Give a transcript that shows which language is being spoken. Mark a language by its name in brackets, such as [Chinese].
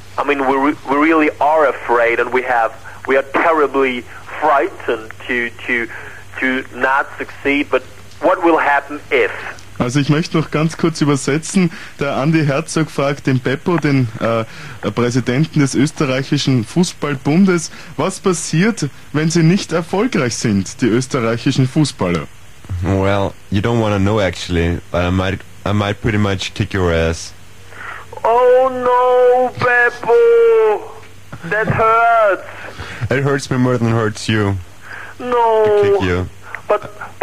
[English] I mean, we really are afraid, and we are terribly frightened to not succeed, but what will happen if... [German] Also ich möchte noch ganz kurz übersetzen, der Andi Herzog fragt den Beppo, den Präsidenten des österreichischen Fußballbundes, was passiert, wenn sie nicht erfolgreich sind, die österreichischen Fußballer? [English] Well, you don't want to know actually, but I might pretty much kick your ass. Oh no, Beppo! That hurts! It hurts me more than hurts you. No! To kick you. But...